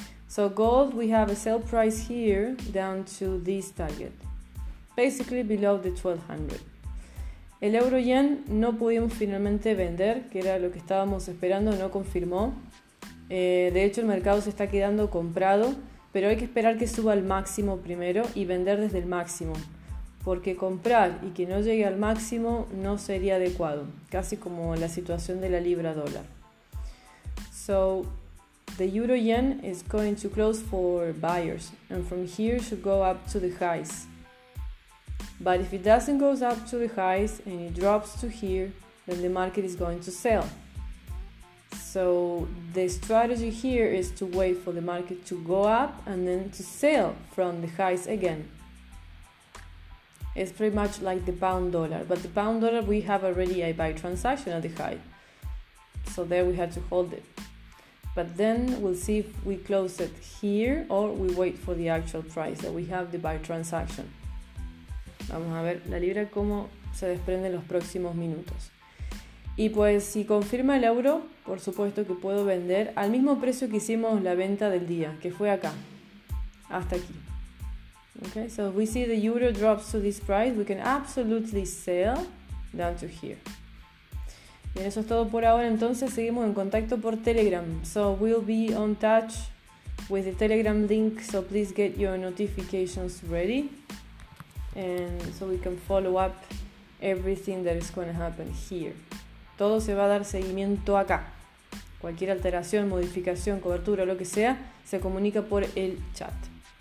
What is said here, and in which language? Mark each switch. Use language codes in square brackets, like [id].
[en] So gold, we have a sell price here down to this target, basically below the 1200. [es] El euro yen no pudimos finalmente vender, que era lo que estábamos esperando, no confirmó. De hecho, el mercado se está quedando comprado, pero hay que esperar que suba al máximo primero y vender desde el máximo, porque comprar y que no llegue al máximo no sería adecuado, casi como la situación de la libra dólar. [en] So, the euro yen is going to close for buyers, and from here should go up to the highs. But if it doesn't go up to the highs and it drops to here, then the market is going to sell. So the strategy here is to wait for the market to go up and then to sell from the highs again. It's pretty much like the pound dollar, but the pound dollar, we have already a buy transaction at the high. So there we had to hold it. But then we'll see if we close it here or we wait for the actual price that we have the buy transaction. [es] Vamos a ver la libra cómo se desprende en los próximos minutos. Y pues si confirma el euro, por supuesto que puedo vender al mismo precio que hicimos la venta del día, que fue acá, hasta aquí. [en] Okay, so if we see the euro drops to this price, we can absolutely sell down to here. [es] Bien, eso es todo por ahora, entonces seguimos en contacto por Telegram. [en] So we'll be on touch with the Telegram link, so please get your notifications ready. And so we can follow up everything that is going to happen here. [es] Todo se va a dar seguimiento acá. Cualquier alteración, modificación, cobertura, lo que sea, se comunica por el chat.